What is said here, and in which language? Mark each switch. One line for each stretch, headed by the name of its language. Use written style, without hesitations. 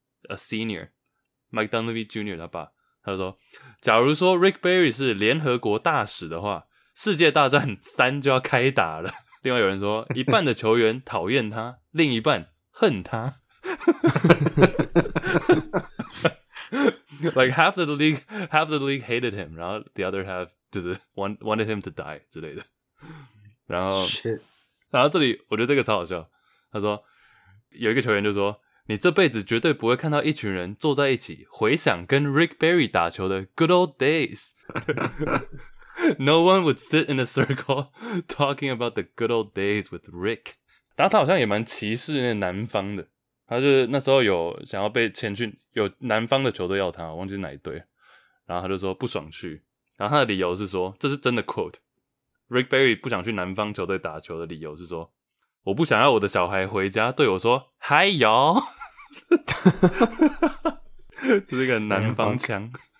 Chinese: a senior Mike Dunleavy Jr. 他爸，他说假如说 Rick Barry 是联合国大使的话，世界大战三就要开打了。另外有人说一半的球员讨厌他，另一半恨他。
English: Like half the league hated him,
Chinese: 然后
English: the other half
Chinese: 就是
English: wanted him to die
Chinese: 之类的。然后、
English: Shit.
Chinese: 然后这里我觉得这个超好笑，他说有一个球员就说，你这辈子绝对不会看到一群人坐在一起回想跟 Rick Barry 打球的
English: good old days. No one would sit in a circle talking about the good old days with Rick.
Chinese: 然后他好像也蛮歧视那南方的，他就是那时候有想要被签去，有南方的球队要他，我忘记哪一队，然后他就说不爽去，然后他的理由是说，这是真的 quote， Rick Barry 不想去南方球队打球的理由是说，我不想要我的小孩回家对我说嗨哟，这是一个南方腔。